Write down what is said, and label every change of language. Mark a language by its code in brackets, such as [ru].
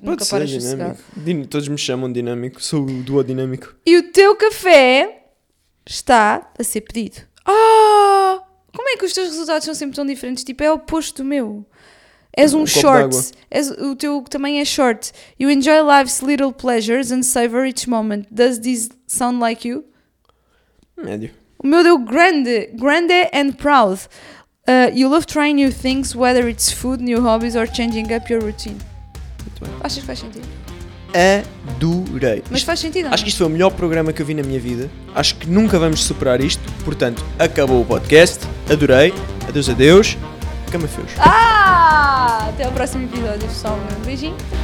[pt] Pode nunca ser paras dinâmico. Todos me chamam dinâmico, sou o duodinâmico. E o teu café está a ser pedido. Oh! Como é que os teus resultados são sempre tão diferentes? Tipo, é o oposto do meu. És um short, o teu também é short. [en] You enjoy life's little pleasures and savor each moment. Does this sound like you? [pt] Médio. O meu deu grande [en] and proud. You love trying new things, whether it's food, new hobbies or changing up your routine. [pt] Muito bem. Achas que faz sentido? Adorei. Mas faz sentido, não? Acho que isto foi o melhor programa que eu vi na minha vida. Acho que nunca vamos superar isto. Portanto, acabou o podcast. Adorei. Adeus, adeus. Cama feios. Ah! Até o próximo episódio, pessoal. Um beijinho.